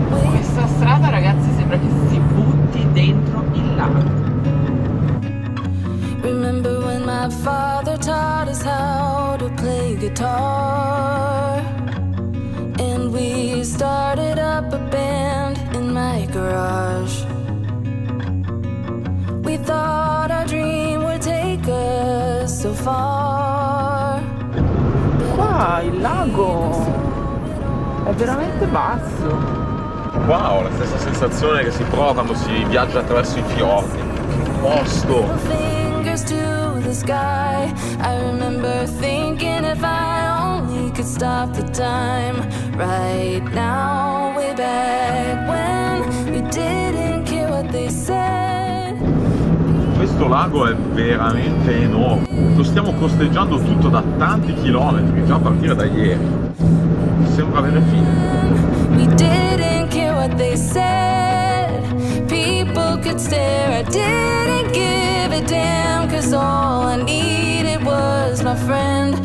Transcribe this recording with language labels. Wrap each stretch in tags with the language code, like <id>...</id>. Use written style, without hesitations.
<it>questa strada, ragazzi, sembra che si butti dentro il lago.</it> <en>Remember when my father taught us how to play guitar? And we started up a band in my garage. We thought our dream would take us so far.</en> <it>Qua il lago è veramente basso. Wow, la stessa sensazione che si prova quando si viaggia attraverso i fiordi. Che posto!</it> <en>To the sky, I remember thinking if I only could stop the time right now, way back when we didn't care what they said.</en> <it>Questo lago è veramente enorme. Lo stiamo costeggiando tutto da tanti chilometri, già a partire da ieri. Sembra avere fine.</it> <en>We didn't care what they said. People could stare, I didn't give a damn. All I needed was my friend.</en>